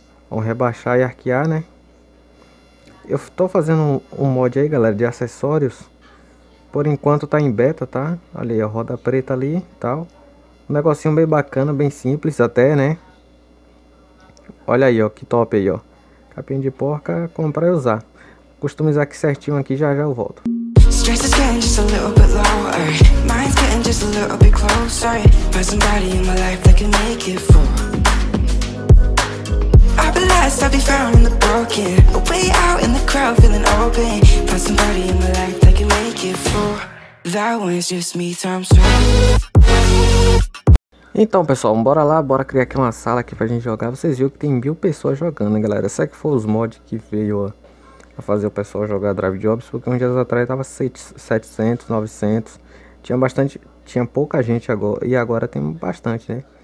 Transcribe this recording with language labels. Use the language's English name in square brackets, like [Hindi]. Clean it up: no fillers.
[Portuguese] Vamos rebaixar e arquear, né? Eu estou fazendo um mod aí, galera, de acessórios. Por enquanto tá em beta, tá? Ali, a roda preta ali, tal. Um negocinho bem bacana, bem simples até, né? Olha aí, ó, que top aí, ó. Capinha de porca, comprar e usar. Vou customizar aqui certinho aqui, já já eu volto. [English] Stress is getting just a little bit lower. Mine's getting just a little bit closer. Find somebody in my life that can make it full. I'll be lost, I'll be found in the broken. A way out in the crowd, feeling open. Find somebody in my life that can make it full. That one's just me, time's [Portuguese] Então, pessoal, bora lá, bora criar aqui uma sala aqui pra gente jogar. Vocês viram que tem 1.000 pessoas jogando, hein, galera? Será que foi os mods que veio, ó, a fazer o pessoal jogar Drive Jobs? Porque uns dias atrás tava 700, 900. Tinha bastante, tinha pouca gente agora, e agora tem bastante, né?